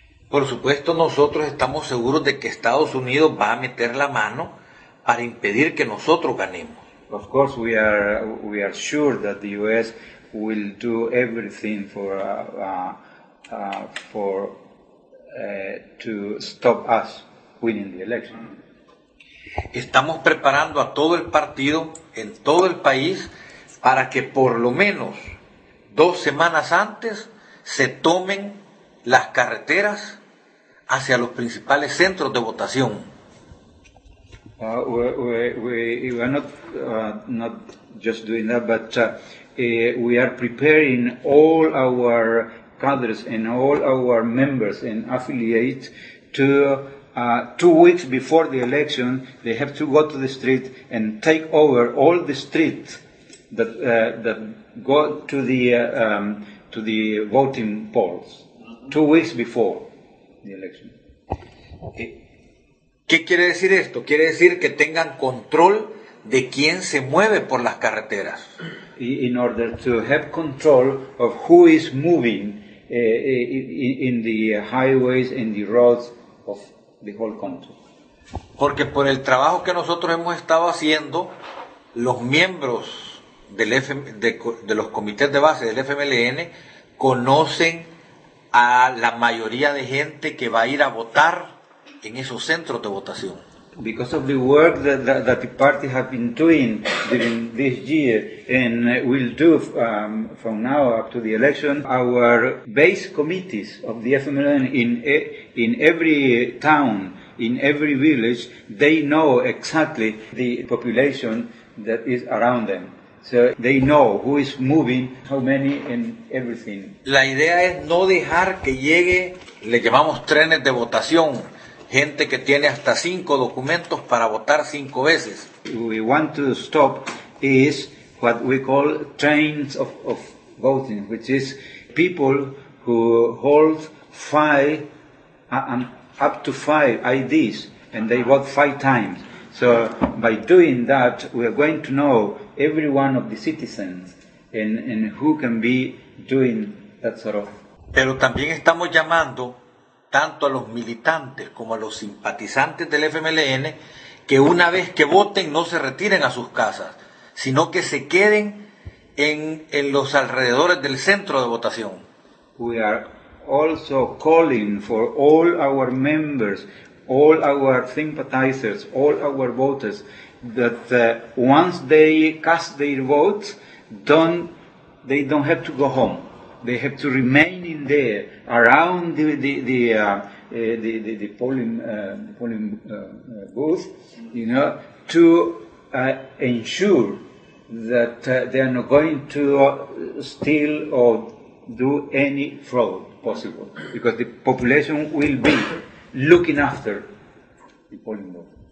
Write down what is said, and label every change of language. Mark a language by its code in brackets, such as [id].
[es] Por supuesto, nosotros estamos seguros de que Estados Unidos va a meter la mano para impedir que nosotros ganemos. [en] Of course, we are sure that the U.S. will do everything to stop us winning the election. [es] Estamos preparando a todo el partido en todo el país para que por lo menos 2 semanas antes se tomen las carreteras hacia los principales centros de votación. [en] We are preparing all our cadres and all our members and affiliates to 2 weeks before the election, they have to go to the street and take over all the streets that that go to the voting polls 2 weeks before the election. [es] ¿Qué quiere decir esto? Quiere decir que tengan control de quién se mueve por las carreteras. [en] In order to have control of who is moving in the highways and the roads of the whole country. [es] Porque por el trabajo que nosotros hemos estado haciendo, los miembros del de los comités de base del FMLN conocen a la mayoría de gente que va a ir a votar en esos centros de votación. [en] Because of the work that that the party have been doing during this year and will do from now up to the election, our base committees of the FMLN in every town, in every village, they know exactly the population that is around them. So they know who is moving, how many, and everything. [es] La idea es no dejar que llegue, le llamamos trenes de votación, gente que tiene hasta 5 documentos para votar 5 veces. [en] We want to stop is what we call trains of voting, which is people who hold 5 and up to 5 IDs and they vote 5 times. So by doing that, we are going to know every one of the citizens and who can be doing that sort of. [es] Pero también estamos llamando tanto a los militantes como a los simpatizantes del FMLN, que una vez que voten no se retiren a sus casas, sino que se queden en los alrededores del centro de votación. [en] We are also calling for all our members, all our sympathizers, all our voters, that once they cast their votes, they don't have to go home. They have to remain in there around the polling booth, you know, to ensure that they are not going to steal or do any fraud possible, because the population will be looking after the polling booth.